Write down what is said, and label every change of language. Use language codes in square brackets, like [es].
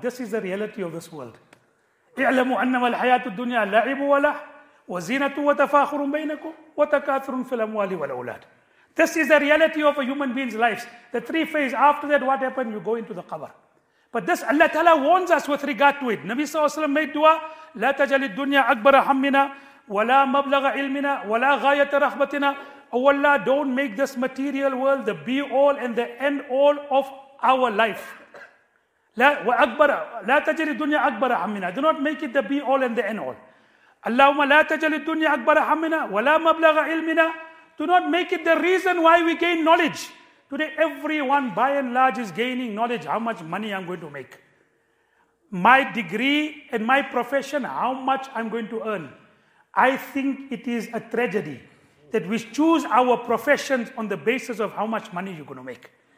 [en] This is the reality of this world. [ar] اِعْلَمُوا أَنَّمَا الْحَيَاةُ الدُّنْيَا لَعِبُ وَلَحُ وَزِينَةُ وَتَفَاخُرٌ بَيْنَكُمْ وَتَكَاثُرٌ فِي الْأَمْوَالِ وَالْأَوْلَادِ. [en] This is the reality of a human being's life. The three phases. After that, what happened? You go into the qabr. But this, Allah Ta'ala warns us with regard to it. Nabi Sallallahu Alaihi Wasallam made dua, [ar] لا تجعل الدنيا أكبر همنا ولا مبلغ علمنا ولا غاية رحمتنا. [en] Oh Allah, don't make this material world the be all and the end all of our life. [ar] لا تجعل الدنيا أكبر همنا. [en] Do not make it the be all and the end all. [ar] اللهم لا تجعل الدنيا أكبر همنا ولا مبلغ علمنا. [en] Do not make it the reason why we gain knowledge. Today, everyone by and large is gaining knowledge. How much money I'm going to make. My degree and my profession, how much I'm going to earn. I think it is a tragedy that we choose our professions on the basis of how much money you're going to make.